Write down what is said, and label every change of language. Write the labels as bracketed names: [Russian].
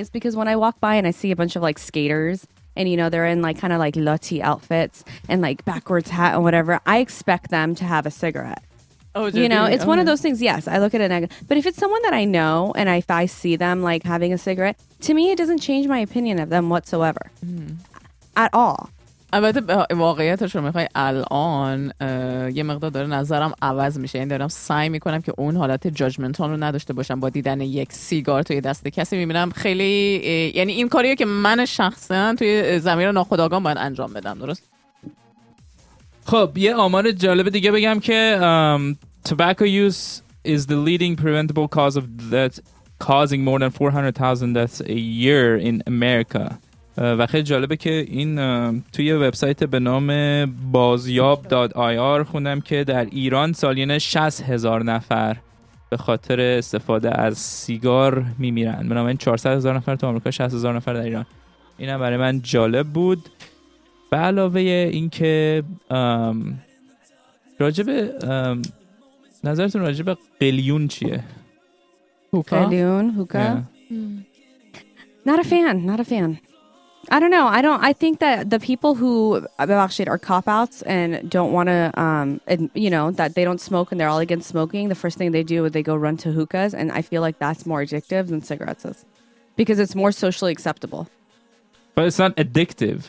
[English] It's because when I walk by and I see a bunch of, like, skaters... And, you know, they're in, like, kind of, like, Lotti outfits and, like, backwards hat and whatever. I expect them to have a cigarette. Oh, you know, it's one of those things. Yes, I look at it. But if it's someone that I know and if I see them, like, having a cigarette, to me, it doesn't change my opinion of them whatsoever. Mm-hmm. At all. [Persian] البته واقعیتش رو میخوای الان یه مقدار داره نظرم عوض میشه، یعنی دارم سعی میکنم که اون حالت ججمنتال رو نداشته باشم با دیدن یک سیگار توی دست کسی. میبینم خیلی یعنی این کاریه که من شخصا توی ضمیر ناخودآگاه باید انجام بدم. درست. خب یه آمار جالب دیگه بگم که [English] tobacco use is the leading preventable cause of death, causing more than 400,000 deaths a year in America. [Persian] و خیلی جالبه که این توی وبسایت به نام بازیاب.ir خوندم که در ایران سالیانه 60,000 نفر به خاطر استفاده از سیگار میمیرن. بنابراین 400,000 نفر تو آمریکا، 60,000 نفر در ایران. این هم برای من جالب بود. به علاوه این که راجب نظرتون راجب قلیون چیه؟ هوکا؟ قلیون؟ هوکا؟ [English] Not a fan. I don't know. I think that the people who actually are cop outs and don't want to, that they don't smoke and they're all against smoking, the first thing they do is they go run to hookahs. And I feel like that's more addictive than cigarettes is because it's more socially acceptable. But it's not addictive.